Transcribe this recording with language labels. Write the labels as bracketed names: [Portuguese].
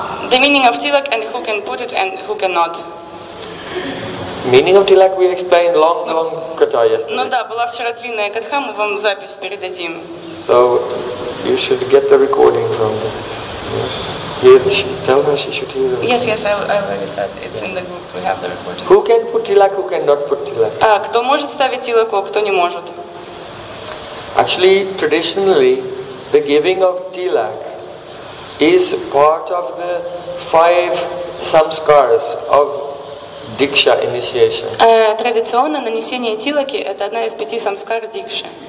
[English] The meaning of tilak and who can put it and who cannot. Meaning of tilak we explained long katha yesterday. [Russian] Ну да, была вчера длинная катха, мы вам запись передадим. [English] So you should get the recording from the, yeah. Tell her she should hear it. Yes, I already said it's in the group. We have the recording. Who can put tilak, who cannot put tilak? [Russian] Кто может ставить тилаку, кто не может? [English] Actually, traditionally, the giving of tilak is part of the five samskaras of diksha initiation. [Russian] Традиционно нанесение тилаки это одна из пяти самскар дикши.